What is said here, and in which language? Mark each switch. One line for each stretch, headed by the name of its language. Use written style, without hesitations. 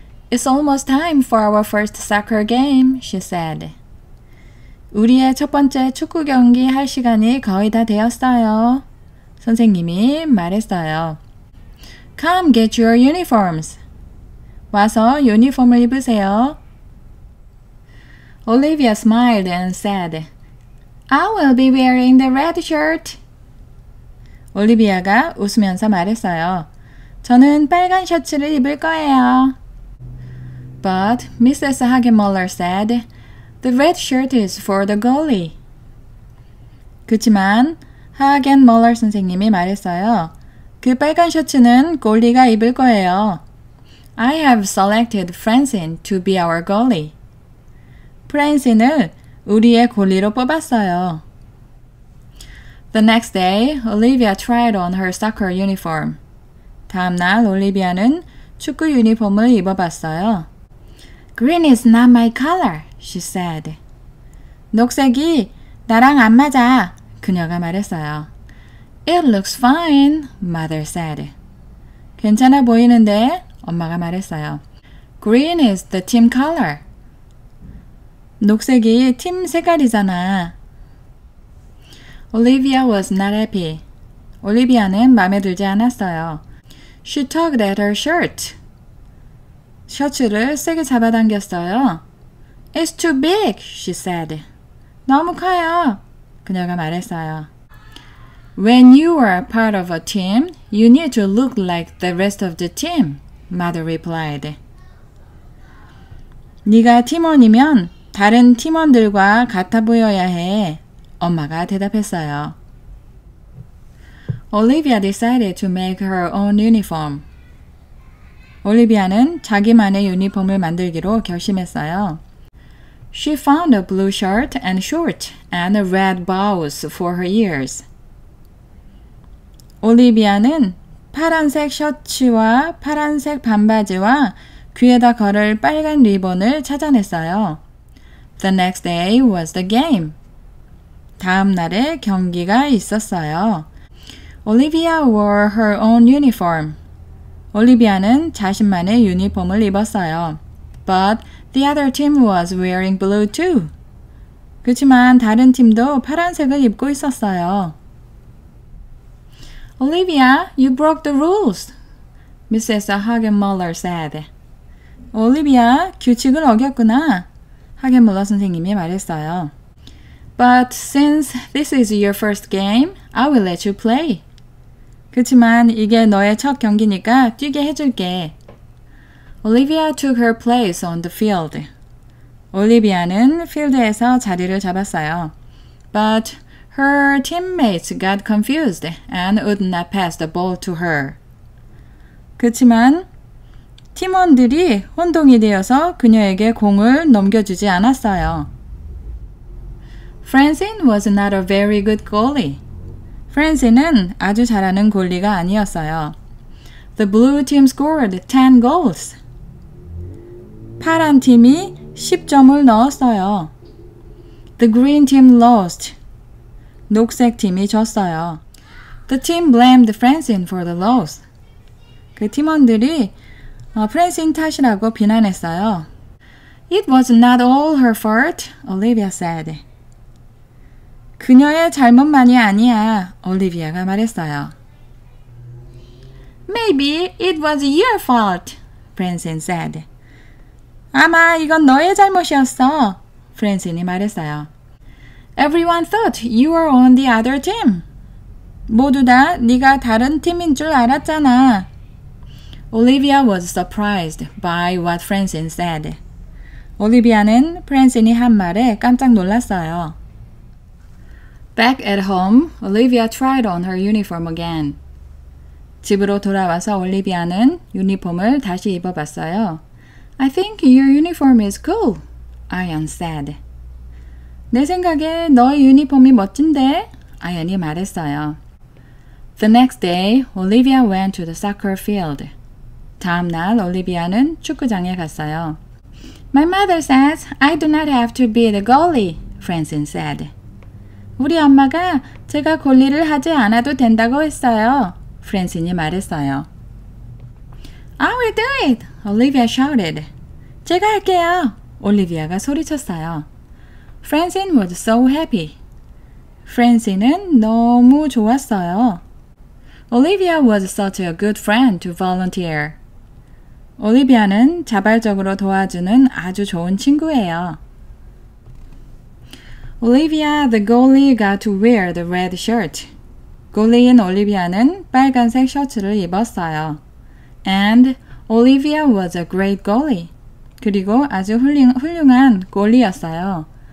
English: It's almost time for our first soccer game, she said.
Korean: 우리의 첫 번째 축구 경기 할 시간이 거의 다 되었어요. 선생님이 말했어요.
English: Come get your uniforms.
Korean: 와서 유니폼을 입으세요.
English: Olivia smiled and said, I will be wearing the red shirt.
Korean: 올리비아가 웃으면서 말했어요. 저는 빨간 셔츠를 입을 거예요.
English: But Mrs. Hagemuller said, The red shirt is for the goalie.
Korean: 그치만 Hagemuller 선생님이 말했어요. 그 빨간 셔츠는 골리가 입을 거예요.
English: I have selected Francine to be our goalie.
Korean: 프랜신을 우리의 골리로 뽑았어요.
English: The next day, Olivia tried on her soccer uniform.
Korean: 다음 날 올리비아는 축구 유니폼을 입어봤어요.
English: Green is not my color, she said.
Korean: 녹색이 나랑 안 맞아, 그녀가 말했어요.
English: It looks fine, mother said.
Korean: 괜찮아 보이는데, 엄마가 말했어요.
English: Green is the team color.
Korean: 녹색이 팀 색깔이잖아.
English: Olivia was not happy.
Korean: 올리비아는 마음에 들지 않았어요.
English: She tugged at her shirt.
Korean: 셔츠를 세게 잡아당겼어요.
English: It's too big, she said.
Korean: 너무 커요, 그녀가 말했어요.
English: When you are part of a team, you need to look like the rest of the team, mother replied.
Korean: 네가 팀원이면 다른 팀원들과 같아 보여야 해, 엄마가 대답했어요.
English: Olivia decided to make her own uniform.
Korean: 올리비아는 자기만의 유니폼을 만들기로 결심했어요.
English: She found a blue shirt and shorts and a red blouse for her ears.
Korean: 올리비아는 파란색 셔츠와 파란색 반바지와 귀에다 걸을 빨간 리본을 찾아냈어요.
English: The next day was the game.
Korean: 다음 날에 경기가 있었어요.
English: Olivia wore her own uniform.
Korean: 올리비아는 자신만의 유니폼을 입었어요.
English: But the other team was wearing blue too.
Korean: 그치만 다른 팀도 파란색을 입고 있었어요.
English: Olivia, you broke the rules, Mrs. Hagemuller said.
Korean: 올리비아, 규칙을 어겼구나. 하겐물러 선생님이 말했어요.
English: But since this is your first game, I will let you play.
Korean: 그치만 이게 너의 첫 경기니까 뛰게 해줄게.
English: Olivia took her place on the field.
Korean: 올리비아는 필드에서 자리를 잡았어요.
English: But her teammates got confused and would not pass the ball to her.
Korean: 그치만 팀원들이 혼동이 되어서 그녀에게 공을 넘겨주지 않았어요.
English: Francine was not a very good goalie.
Korean: Francine는 아주 잘하는 골리가 아니었어요.
English: The blue team scored 10 goals.
Korean: 파란 팀이 10점을 넣었어요.
English: The green team lost.
Korean: 녹색 팀이 졌어요.
English: The team blamed Francine for the loss.
Korean: 그 팀원들이 프랜신 탓이라고 비난했어요.
English: It was not all her fault, Olivia said.
Korean: 그녀의 잘못만이 아니야, 올리비아가 말했어요.
English: Maybe it was your fault, Francine said.
Korean: 아마 이건 너의 잘못이었어, 프랜신이 말했어요.
English: Everyone thought you were on the other team.
Korean: 모두 다 네가 다른 팀인 줄 알았잖아.
English: Olivia was surprised by what Francine said.
Korean: 올리비아는 프랜신이 한 말에 깜짝 놀랐어요.
English: Back at home, Olivia tried on her uniform again.
Korean: 집으로 돌아와서 올리비아는 유니폼을 다시 입어봤어요.
English: I think your uniform is cool, Ion said.
Korean: 내 생각에 너의 유니폼이 멋진데, Ion이 말했어요.
English: The next day, Olivia went to the soccer field.
Korean: 다음 날 올리비아는 축구장에 갔어요.
English: My mother says I do not have to be the goalie, Francine said.
Korean: 우리 엄마가 제가 골리를 하지 않아도 된다고 했어요, Francine이 말했어요.
English: I will do it, Olivia shouted.
Korean: 제가 할게요, 올리비아가 소리쳤어요.
English: Francine was so happy.
Korean: Francine은 너무 좋았어요.
English: Olivia was such a good friend to volunteer.
Korean: 올리비아는 자발적으로 도와주는 아주 좋은 친구예요.
English: Olivia, the goalie, got to wear the red shirt.
Korean: 골리인 올리비아는 빨간색 셔츠를 입었어요.
English: And Olivia was a great goalie.
Korean: 그리고 아주 훌륭한 골리였어요.